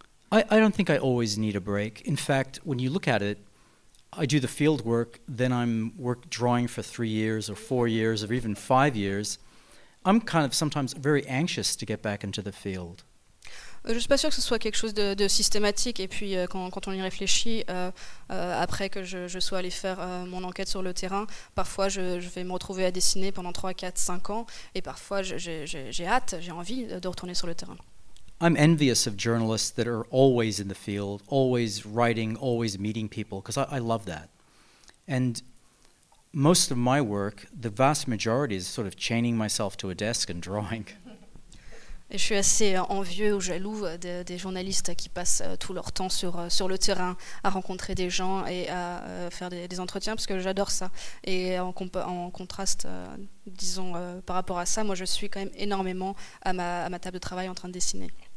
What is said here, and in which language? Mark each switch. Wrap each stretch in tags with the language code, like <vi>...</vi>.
<en>I don't think I always need a break. In fact, when you look at it, I do the field work, then I'm drawing for 3 years or 4 years or even 5 years. I'm kind of sometimes very anxious to get back into the field.</en> <fr>Je suis pas sûre que ce soit quelque chose de systématique. Et puis quand on y réfléchit, après que je sois allée faire mon enquête sur le terrain, parfois je vais me retrouver à dessiner pendant 3, 4, 5 ans. Et parfois j'ai hâte, j'ai envie de retourner sur le terrain.</fr> <en>I'm envious of journalists that are always in the field, always writing, always meeting people, because I love that. And most of my work, the vast majority, is sort of chaining myself to a desk and drawing.</en> <fr>Et je suis assez envieux ou jaloux des journalistes qui passent tout leur temps sur le terrain à rencontrer des gens et à faire des entretiens, parce que j'adore ça. Et en contraste, disons, par rapport à ça, moi je suis quand même énormément à ma table de travail en train de dessiner.</fr>